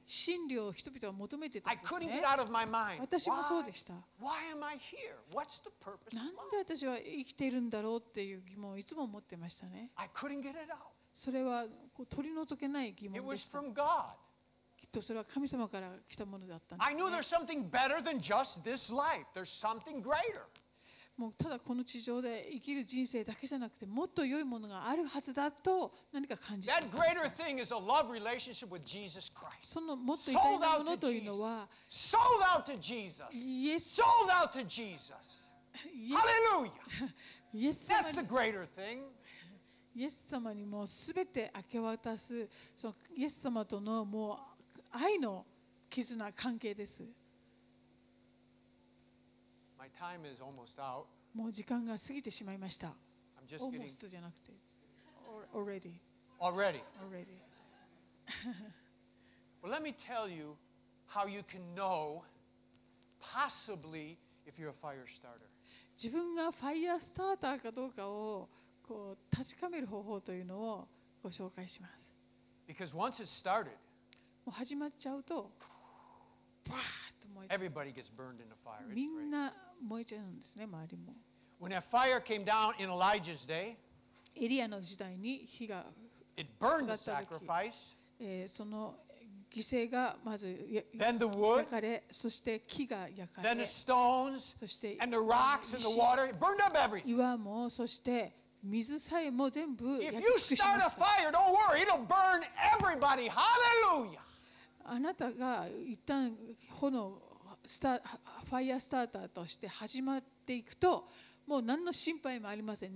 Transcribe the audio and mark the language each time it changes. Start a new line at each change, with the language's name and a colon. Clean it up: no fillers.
Japanese: 真理を人々は求めてたんですね。
English: I couldn't get out of my mind.
Japanese: 私もそうでした。
English: Why? Why am I here? What's the purpose?
Japanese: なんで私は生きているんだろうっていう疑問をいつも持ってましたね。
English: I couldn't get it out.
Japanese: それはこう取り除けない疑問でした。
English: It was from God.
Japanese: とそれは神様から来たものだったんです、ね、
English: I knew there's something better than just this life. There's something greater.
Japanese: もうただこの地上で生きる人生だけじゃなくてもっと良いものがあるはずだと何か感じた。
English: That greater thing is a love relationship with Jesus Christ.
Japanese: そのもっと偉大なものというのは、
English: sold out to Jesus. Sold out to Jesus. Hallelujah. Yes. That's the greater thing.
Japanese: イエス様にもすべて明け渡す、そのイエス様とのもう愛の絆関係です。
English: My time is almost out.
Japanese: もう時間が過ぎてしまいました。
English: I'm just kidding. Almost
Japanese: じゃなくて、
English: already. Already. Already. Well, let me tell you how you can know possibly if you're a fire starter.
Japanese: 自分がファイアスターターかどうかをこう確かめる方法というのをご紹介します。
English: Because once it started.
Japanese: もう始まっちゃうと、バーッと燃え、
English: everybody gets burned in the fire.
Japanese: みんな燃えちゃうんですね、周りも。
English: When that fire came down in Elijah's day,
Japanese: エリアの時代に火が、
English: it burned the sacrifice.
Japanese: その犠牲がまず
English: then the wood,
Japanese: 焼かれ、そして木が焼かれ、
English: then the stones,
Japanese: そして
English: and the rocks and the water, it burned up everything.
Japanese: 岩もそして水さえも全部焼き尽くしました。
English: If you start a fire, don't worry, it'll burn everybody. Hallelujah!
Japanese: あなたが一旦炎スタファイアスターターとして始まっていくと、もう何の心配もありません。